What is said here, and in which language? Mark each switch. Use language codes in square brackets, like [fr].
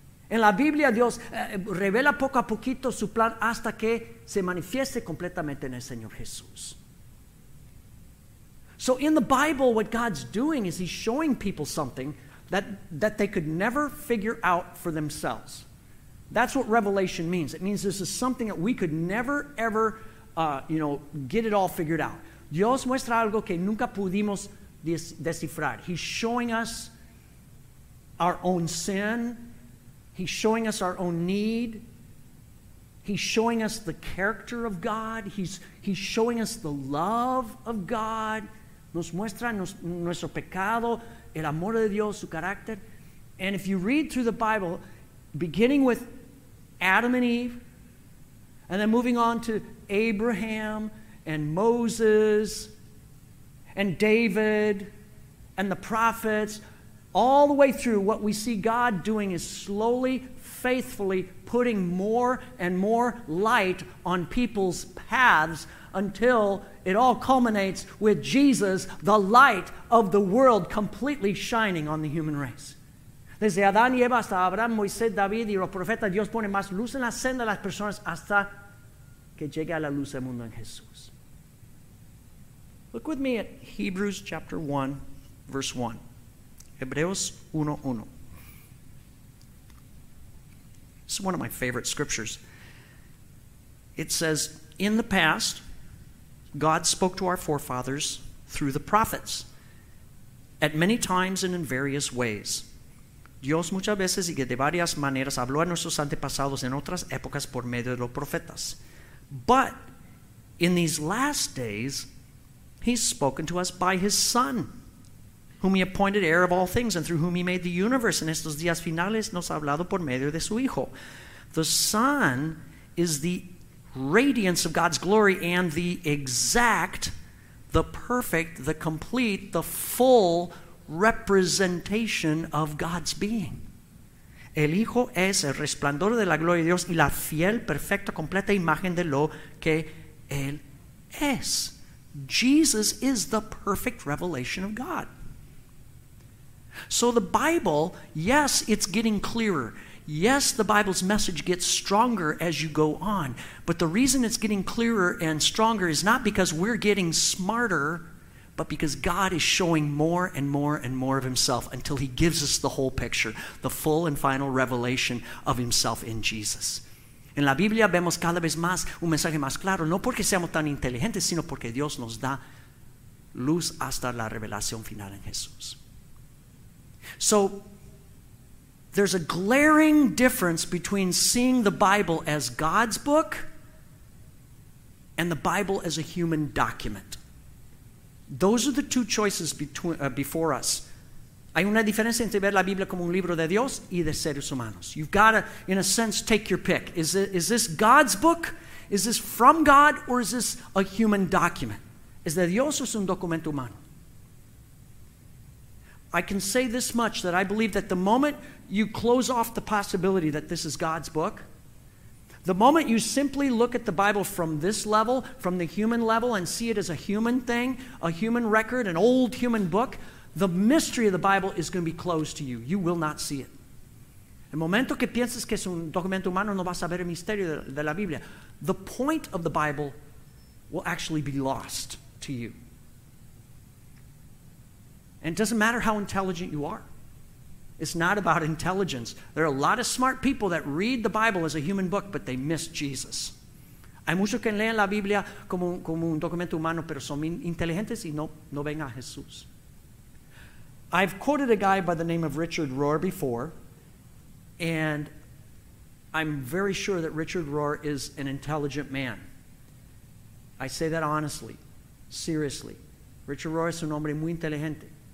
[es] En la Biblia, Dios revela poco a poquito su plan hasta que se manifieste completamente en el Señor Jesús. [en] So in the Bible, what God's doing is he's showing people something that they could never figure out for themselves. That's what revelation means. It means this is something that we could never, ever, get it all figured out. [es] Dios muestra algo que nunca pudimos descifrar. [en] He's showing us our own sin. He's showing us our own need. He's showing us the character of God. He's showing us the love of God. [es] Nos muestra nuestro pecado, el amor de Dios, su carácter. [en] And if you read through the Bible, beginning with Adam and Eve, and then moving on to Abraham and Moses and David and the prophets, all the way through, what we see God doing is slowly, faithfully putting more and more light on people's paths until it all culminates with Jesus, the light of the world, completely shining on the human race. [es] Desde Adán y Eva hasta Abraham, Moisés, David y los profetas, Dios pone más luz en la senda de las personas hasta que llegue a la luz del mundo en Jesús. [en] Look with me at Hebrews chapter 1, verse 1. [es] Hebreos 1:1. [en] This is one of my favorite scriptures. It says, in the past, God spoke to our forefathers through the prophets at many times and in various ways. [es] Dios muchas veces y que de varias maneras habló a nuestros antepasados en otras épocas por medio de los profetas. [en] But in these last days, he's spoken to us by his Son, whom he appointed heir of all things and through whom he made the universe. [es] En estos días finales nos ha hablado por medio de su Hijo. [en] The Son is the radiance of God's glory and the exact, the perfect, the complete, the full representation of God's being. [es] El Hijo es el resplandor de la gloria de Dios y la fiel, perfecta, completa imagen de lo que Él es. [en] Jesus is the perfect revelation of God. So the Bible, yes, it's getting clearer. Yes, the Bible's message gets stronger as you go on. But the reason it's getting clearer and stronger is not because we're getting smarter, but because God is showing more and more and more of himself until he gives us the whole picture, the full and final revelation of himself in Jesus. [es] En la Biblia vemos cada vez más un mensaje más claro, no porque seamos tan inteligentes, sino porque Dios nos da luz hasta la revelación final en Jesús. [en] So, there's a glaring difference between seeing the Bible as God's book and the Bible as a human document. Those are the two choices before us. [es] Hay una diferencia entre ver la Biblia como un libro de Dios y de seres humanos. [en] You've got to, in a sense, take your pick. Is this God's book? Is this from God? Or is this a human document? [es] ¿Es de Dios o es un documento humano? [en] I can say this much, that I believe that the moment you close off the possibility that this is God's book, the moment you simply look at the Bible from this level, from the human level, and see it as a human thing, a human record, an old human book, the mystery of the Bible is going to be closed to you. You will not see it. [es] El momento que pienses que es un documento humano, no vas a ver el misterio de la Biblia. [en] The point of the Bible will actually be lost to you. And it doesn't matter how intelligent you are. It's not about intelligence. There are a lot of smart people that read the Bible as a human book, but they miss Jesus. [es] Hay muchos que leen la Biblia como un documento humano, pero son inteligentes y no ven a Jesús. [en] I've quoted a guy by the name of Richard Rohr before, and I'm very sure that Richard Rohr is an intelligent man. I say that honestly, seriously. Richard Rohr [es] es un hombre muy inteligente.